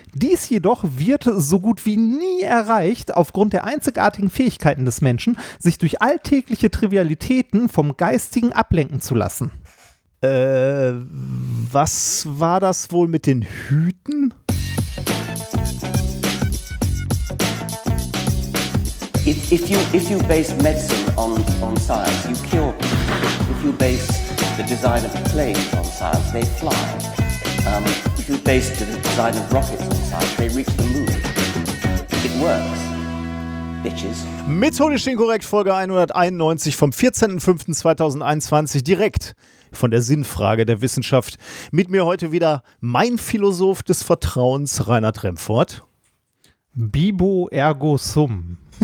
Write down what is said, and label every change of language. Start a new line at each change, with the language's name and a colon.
German: Dies jedoch wird so gut wie nie erreicht, aufgrund der einzigartigen Fähigkeiten des Menschen, sich durch alltägliche Trivialitäten vom Geistigen ablenken zu lassen. Was war das wohl mit den Hüten?
English: If you base medicine on science, you cure people. If you base the design of planes on science, they fly. If you base the design of rockets on science, they reach the moon. It works. Bitches.
German: Methodisch Inkorrekt, Folge 191 vom 14.05.2021, direkt von der Sinnfrage der Wissenschaft. Mit mir heute wieder mein Philosoph des Vertrauens, Reinhard Remfort.
Latin: Bibo ergo sum.